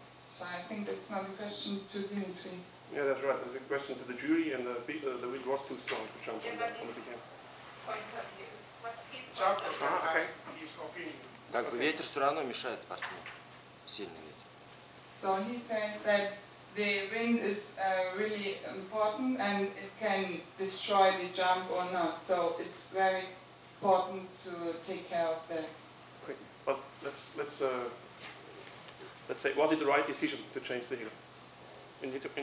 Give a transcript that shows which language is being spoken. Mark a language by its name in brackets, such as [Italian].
[English] So I think that's not a question to Dimitri. Yeah, that's right. There's a question to the jury and the people. The wind was too strong to jump on the point of view. What's his [Russian] Так, ветер все равно мешает спортсмену. Сильный ветер. [English] So he says that the wind is really important and it can destroy the jump or not. So it's very important to take care of that. Okay, but let's say, was it the right decision to change the hill?